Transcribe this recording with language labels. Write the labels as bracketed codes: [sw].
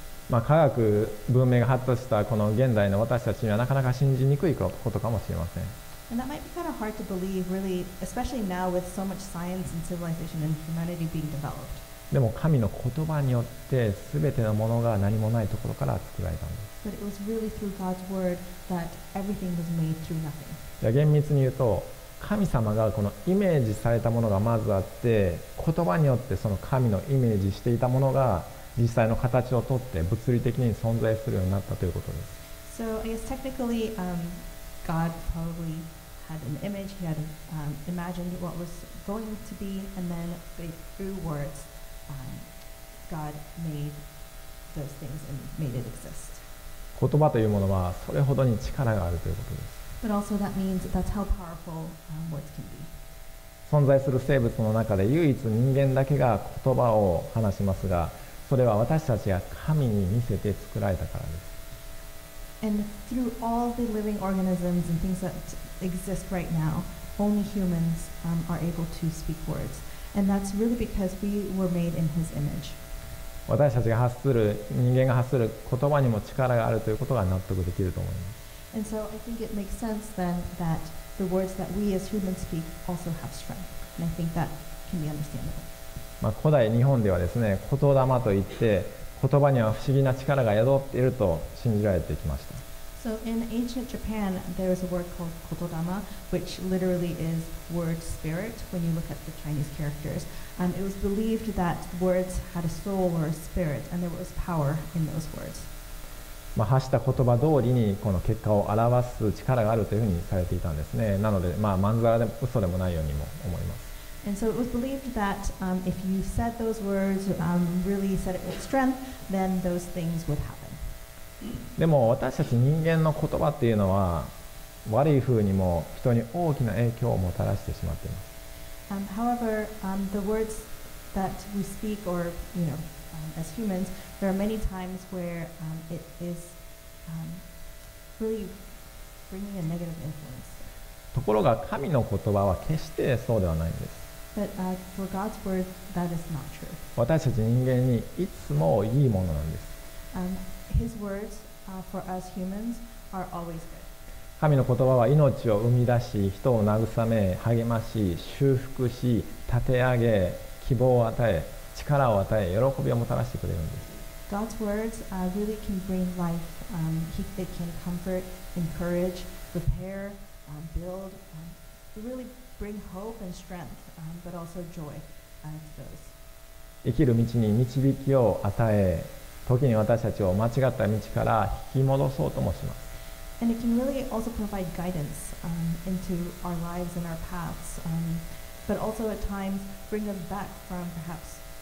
[ja] まあ科学文明が発達したこの現代の私たちにはなかなか信じにくいことかもしれません。 [en] And that might be kind of hard to believe, really, especially now with so much science and civilization and humanity being developed. [ja] でも神の言葉によって全てのものが何もないところから作られたんです。 [en] But it was really through God's word that everything was made through nothing. [ja] 厳密に言うと、神様がこのイメージされたものがまずあって、言葉によってその神のイメージしていたものが実際の形をとって物理的に存在するようになったということです。 [en] So I guess technically、God probably had an image. He had、imagined what was going to be, and then through words、God made those things and made it exist. [ja] 言葉というものはそれほどに力があるということです。 [en] But also that means that's how powerful、words can be. [ja] 存在する生物の中で唯一人間だけが言葉を話しますが、それは私たちが神に見せて作られたからです。 [en] And through all the living organisms and things that exist right now, only humans、are able to speak words. And that's really because we were made in His image. [ja] 私たちが発する、人間が発する言葉にも力があるということが納得できると思います。 [en] And so I think it makes sense then that the words that we as humans speak also have strength. And I think that can be understandable. [ja] まあ古代日本ではですね、言霊といって言葉には不思議な力が宿っていると信じられてきました。 [en] So in ancient Japan, there is a word called kotodama, which literally is word spirit when you look at the Chinese characters. It was believed that words had a soul or a spirit, and there was power in those words. [ja] まあ、発した言葉通りにこの結果を表す力があるというふうにされていたんですね。なので、まあ、まんざらでも嘘でもないようにも思います。 [en] And so it was believed that, if you said those words, really said it with strength, then those things would happen. [ja] でも私たち人間の言葉っていうのは悪いふうにも人に大きな影響をもたらしてしまっています。 [en] However, the words that we speak or, you know,as humans, there are many times where、it is、really bringing a negative influence. [ja] ところが神の言葉は決してそうではないんです。 [en] But、for God's word, that is not true. [ja] 私たち人間にいつもいいものなんです。 [en] His words、for us humans are always good. [ja] 神の言葉は命を生み出し、人を慰め、励まし、修復し、立て上げ、希望を与え、力を与え、喜びをもたらしてくれるんです。 [en] God's words、really can bring life. It can comfort, encourage, repair, build, really bring hope and strength, but also joy to those. [ja] 生きる道に導きを与え、時に私たちを間違った道から引き戻そうともします。 [en] And it can really also provide guidance, into our lives and our paths, but also at times bring us back from perhaps.